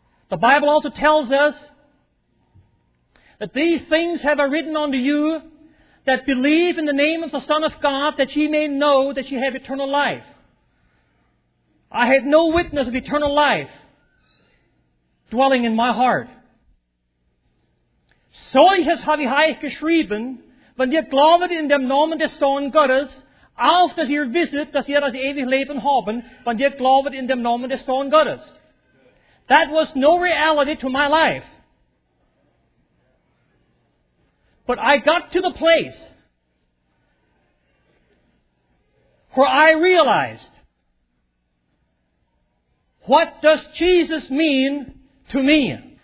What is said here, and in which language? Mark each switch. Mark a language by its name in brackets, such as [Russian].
[English] The Bible also tells us that these things have I written unto you that believe in the name of the Son of God, that ye may know that ye have eternal life. I had no witness of eternal life dwelling in my heart. [German] Solches habe ich geschrieben, wenn ihr glaubet in dem Namen des Sohn Gottes, auf dass ihr wisset, dass ihr das ewige Leben haben, wenn ihr glaubet in dem Namen des Sohn Gottes. [English] That was no reality to my life. But I got to the place where I realized, what does Jesus mean to me?